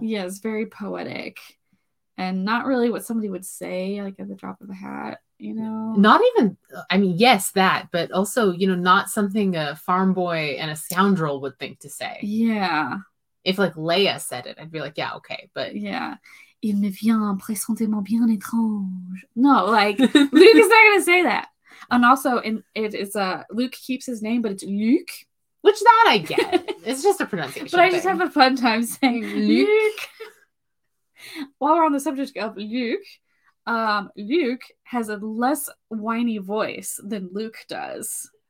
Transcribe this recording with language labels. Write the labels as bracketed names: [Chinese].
[English] Yes, yeah, very poetic. And not really what somebody would say, like, at the drop of a hat, you know? Not even, I mean, yes, that, but also, you know, not something a farm boy and a scoundrel would think to say. Yeah. If, like, Leia said it, I'd be like, yeah, okay, but... Yeah. [French] Il me vient présentement bien étrange. [English] No, like, Luke is not going to say that. And also, Luke keeps his name, but it's Luke. Which that I get. It's just a pronunciation But I thing. Just have a fun time saying Luke. While we're on the subject of Luke, Luke has a less whiny voice than Luke does.